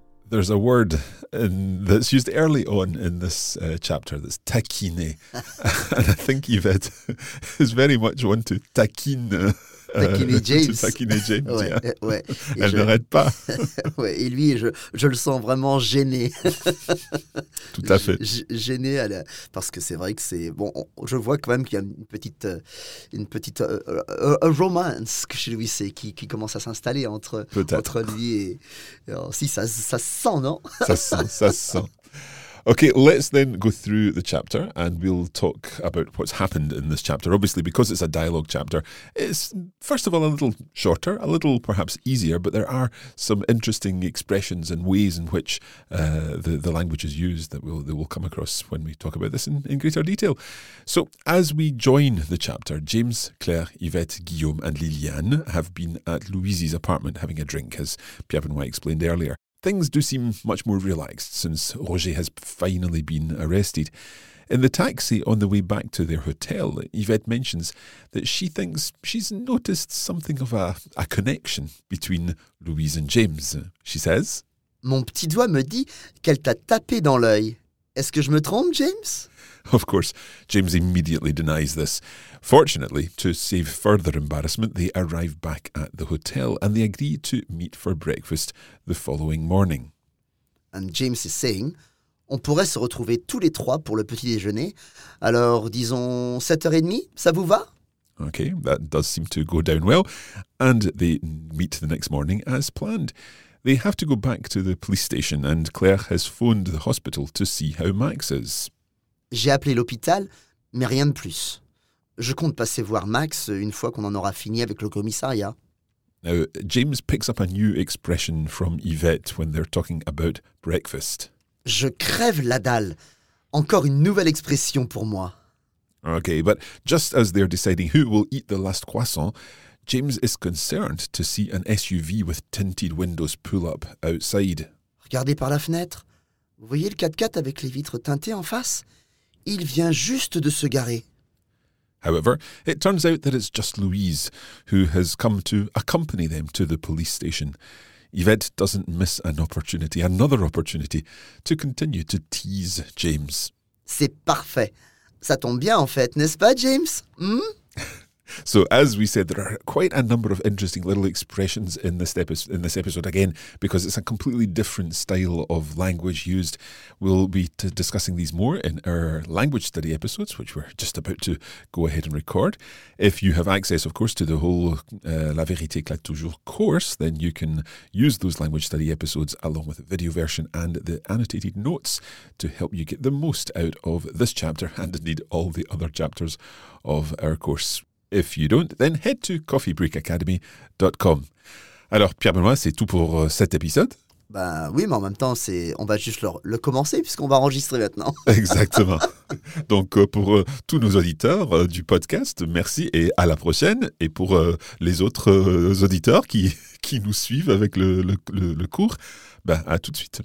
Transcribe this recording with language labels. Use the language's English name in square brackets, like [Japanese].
[English] There's a word that's used early on in this chapter that's taquiner. And I think Yvette is very much one to taquiner. [French] Taquiner James. Ouais, [English] yeah. [French] Ouais. Elle je... n'arrête pas. Ouais, et lui, je le sens vraiment gêné. Tout à fait. Gêné à la... parce que c'est vrai que c'est... Bon, je vois quand même qu'il y a une petite romance chez lui, c'est qui commence à s'installer entre lui et... Alors, si, ça sent, non? Ça sent. [English] Okay, let's then go through the chapter and we'll talk about what's happened in this chapter. Obviously, because it's a dialogue chapter, it's first of all a little shorter, a little perhaps easier, but there are some interesting expressions and ways in which the language is used that we'll come across when we talk about this in greater detail. So as we join the chapter, James, Claire, Yvette, Guillaume and Liliane have been at Louise's apartment having a drink, as Pierre Benoit explained earlier. Things do seem much more relaxed since Roger has finally been arrested. In the taxi on the way back to their hotel, Yvette mentions that she thinks she's noticed something of a connection between Louise and James. She says, [French] Mon petit doigt me dit qu'elle t'a tapé dans l'œil. Est-ce que je me trompe, James? [English] Of course, James immediately denies this. Fortunately, to save further embarrassment, they arrive back at the hotel and they agree to meet for breakfast the following morning. And James is saying, [French] On pourrait se retrouver tous les trois pour le petit déjeuner. Alors, disons 7h30, ça vous va? [English] Okay, that does seem to go down well. And they meet the next morning as planned. They have to go back to the police station and Claire has phoned the hospital to see how Max is. [French] J'ai appelé l'hôpital, mais rien de plus. Je compte passer voir Max une fois qu'on en aura fini avec le commissariat. [English] Now, James picks up a new expression from Yvette when they're talking about breakfast. [French] Je crève la dalle. Encore une nouvelle expression pour moi. [English] Okay, but just as they're deciding who will eat the last croissant, James is concerned to see an SUV with tinted windows pull up outside. [French] Regardez par la fenêtre. Vous voyez le 4x4 avec les vitres teintées en face? Il vient juste de se garer. [English] However, it turns out that it's just Louise who has come to accompany them to the police station. Yvette doesn't miss another opportunity, to continue to tease James. [French] C'est parfait. Ça tombe bien en fait, n'est-ce pas, James? Hmm? [English] So, as we said, there are quite a number of interesting little expressions in this episode, again, because it's a completely different style of language used. We'll be discussing these more in our language study episodes, which we're just about to go ahead and record. If you have access, of course, to the whole La Vérité Claque Toujours course, then you can use those language study episodes along with the video version and the annotated notes to help you get the most out of this chapter and indeed all the other chapters of our course. If you don't, then head to coffeebreakacademy.com. [French] Alors, Pierre-Benoît, c'est tout pour cet épisode? Ben oui, mais en même temps, on va juste le commencer puisqu'on va enregistrer maintenant. Exactement. Donc, pour tous nos auditeurs du podcast, merci et à la prochaine. Et pour les autres auditeurs qui nous suivent avec le cours, ben à tout de suite.